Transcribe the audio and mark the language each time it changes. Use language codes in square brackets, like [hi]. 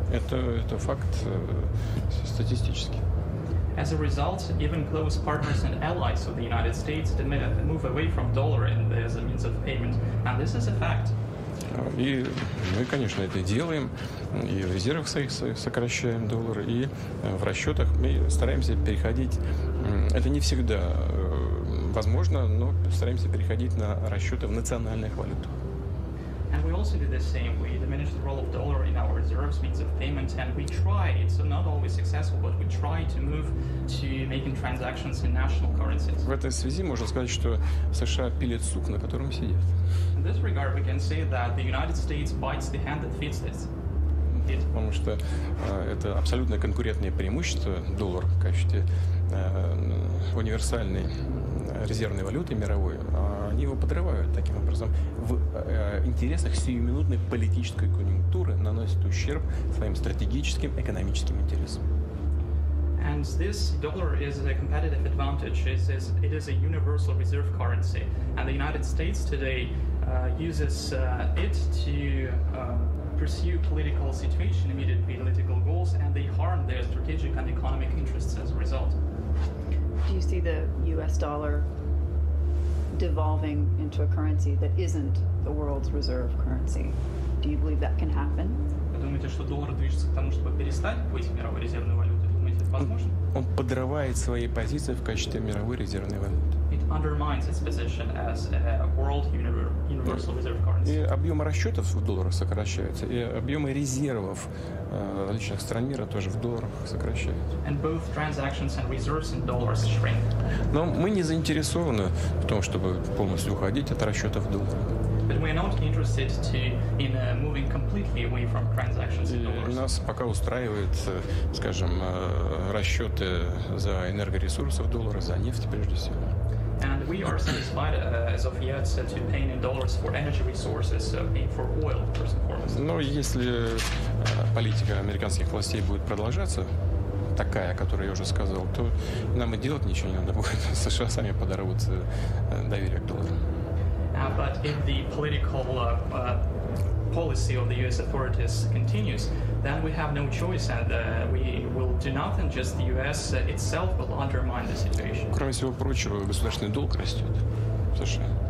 [ru] Это факт статистический. [en] As a result, even close partners and allies of the United States move away from dollar as a means of payment. And this is a fact. [ru] И мы, конечно, это делаем, и в резервах своих сокращаем доллар, и в расчетах мы стараемся переходить, это не всегда возможно, но стараемся переходить на расчеты в национальных валютах. [en] And we also do the same. We diminish the role of dollar in our reserves means of payment, and we try, it's not always successful, but we try to move to making transactions in national currencies. [ru] В этой связи можно сказать, что США пилит сук, на котором сидят. [en] In this regard, we can say that the United States bites the hand that feeds it. [ru] Потому что это абсолютно конкурентное преимущество, доллар в качестве универсальной резервной валюты мировой, они его подрывают таким образом. В интересах сиюминутной политической конъюнктуры наносят ущерб своим стратегическим экономическим интересам. [en] And this dollar is a competitive advantage. It is a universal reserve currency. And the United States today uses it to pursue political situation, immediate political goals, and they harm their strategic and economic interests as a result. Do you see the U.S. dollar devolving into a currency that isn't the world's reserve currency? Do you believe that can happen? [ru] Вы думаете, что доллар движется к тому, чтобы перестать быть мировой резервной валютой? Думаете, это возможно? Он подрывает свои позиции в качестве мировой резервной валюты. [en] It undermines its position as a world universal reserve currency. [ru] И объемы расчетов в долларах сокращаются, и объемы резервов различных стран мира тоже в долларах сокращаются. [en] And both transactions and reserves in dollars shrink. [ru] Но мы не заинтересованы в том, чтобы полностью уходить от расчетов в долларах. [en] But we are not interested in moving completely away from transactions in dollars. [ru] И нас пока устраивает, скажем, расчеты за энергоресурсы в долларах, за нефть прежде всего. [en] And we are satisfied as of yet to pay in dollars for energy resources, for oil, first and foremost. [ru] Но если политика американских властей будет продолжаться, такая, о которой я уже сказал, то нам и делать ничего не надо будет. США сами подорвут доверие к доллару. [en] But if the political policy of the U.S. authorities continues, then we have no choice, and we will do nothing. Just the U.S. itself will undermine the situation. [ru] Кроме всего прочего, государственный долг растет в США.